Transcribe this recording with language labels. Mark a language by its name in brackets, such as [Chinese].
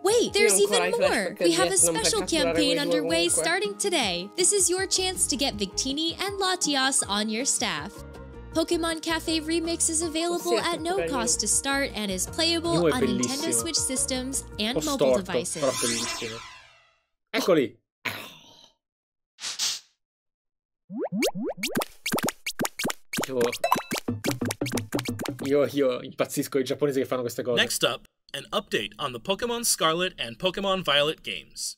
[English] Wait, there's even more! We have a special campaign underway starting today. This is your chance to get Victini and Latias on your staff. Pokémon Cafe Remix is available at no cost to start and is playable on Nintendo Switch systems and mobile devices. [Italian] Però bellissimo. Eccoli! Io impazzisco i giapponesi che fanno queste cose. [English] Next up, an update on the Pokémon Scarlet and Pokémon Violet games.